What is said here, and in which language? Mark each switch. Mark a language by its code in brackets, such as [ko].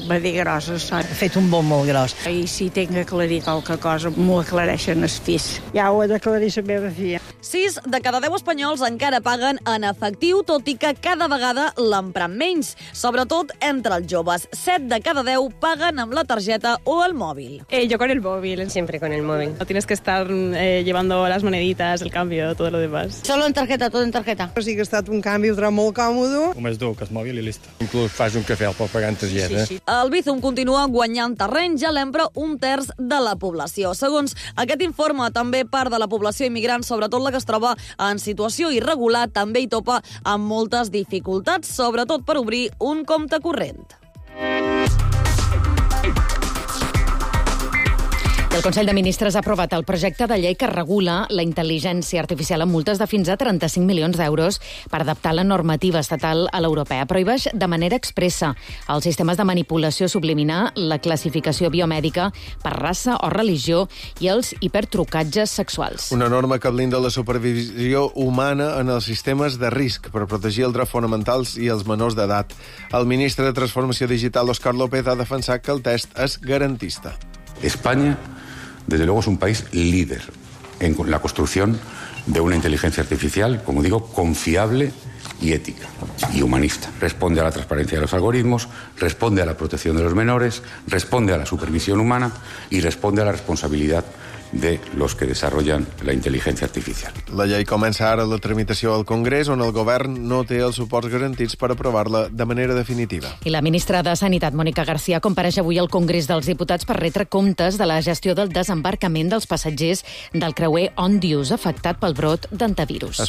[ca] Va dir gros, ha fet un bon molt gros. I si tinc que aclarir qualque cosa, m'ho aclareixen els fills. Ja ho he d'aclarir la meva filla. 6 de cada 10 espanyols encara paguen en efectiu, tot i que cada vegada l'empren menys, sobretot entre els joves. 7 de cada 10 paguen amb la targeta o el mòbil. [es] Yo con el móvil. Siempre con el móvil. No tienes que estar llevando las moneditas, el cambio, todo lo demás. Solo en tarjeta, todo en tarjeta. [ca] O sigui que ha estat un canvi ultra molt còmodo. Només dur, que es mòbil i listo. Inclús fas un cafè al poc pagant targeta. Sí, sí. El Bizum continua guanyant terreny, ja l'empra un terç de la població. Segons aquest informe, també part de la població immigrant, sobretot la que es troba en situació irregular, també hi topa amb moltes dificultats, sobretot per obrir un compte corrent. El Consell de Ministres ha aprovat el projecte de llei que regula la intel·ligència artificial amb multes de fins a 35 milions d'euros per adaptar la normativa estatal a l'europea. Però hi baix de manera expressa els sistemes de manipulació subliminar, la classificació biomèdica per raça o religió i els hipertrucatges sexuals. Una norma que blinda la supervisió humana en els sistemes de risc per protegir els drets fonamentals i els menors d'edat. El ministre de Transformació Digital, Óscar López, ha defensat que el test és garantista. [es] España, desde luego, es un país líder en la construcción de una inteligencia artificial, como digo, confiable y ética y humanista. Responde a la transparencia de los algoritmos, responde a la protección de los menores, responde a la supervisión humana y responde a la responsabilidad de los que desarrollan la inteligencia artificial. [ca] La llei comença ara la tramitació al Congrés, on el govern no té els suports garantits per aprovar-la de manera definitiva. I la ministra de Sanitat, Mònica García, compareix avui al Congrés dels Diputats per retre comptes de la gestió del desembarcament dels passatgers del creuer Ondius, afectat pel brot d'antivirus.